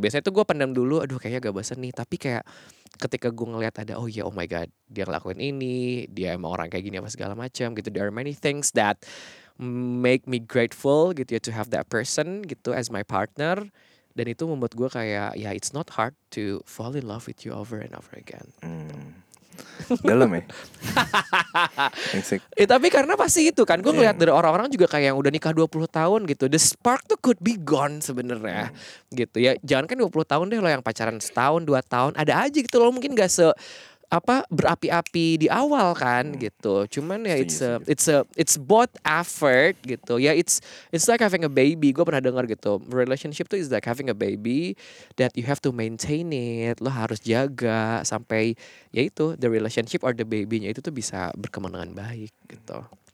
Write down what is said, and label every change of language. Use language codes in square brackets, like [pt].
[id] Biasanya tuh gue pendam dulu, aduh kayaknya gak bosen nih. Tapi kayak ketika gue ngeliat ada, oh ya, yeah, [en] oh my god, [id] dia ngelakuin ini, dia emang orang kayak gini apa segala macam gitu. [en] There are many things that make me grateful gitu ya, to have that person gitu as my partner. [id] Dan itu membuat gue kayak, [en] ya, it's not hard to fall in love with you over and over again. [id] Dalam ya. Ya, tapi karena pasti itu kan, gue ngeliat dari orang-orang juga kayak yang udah nikah 20 tahun gitu, the spark tuh [en] could be gone [id] sebenarnya, gitu ya. Jangan kan 20 tahun deh, lo yang pacaran setahun, 2 tahun, ada aja gitu, lo mungkin gak se apa berapi-api di awal kan gitu. Cuman ya [en] it's both effort [id] gitu. [en] Ya it's like having a baby. [id] Gue pernah dengar gitu. [en] Relationship tuh is like having a baby that you have to maintain it. [id] Lo harus jaga sampai ya itu the relationship or the babynya itu tuh bisa berkembang dengan baik gitu.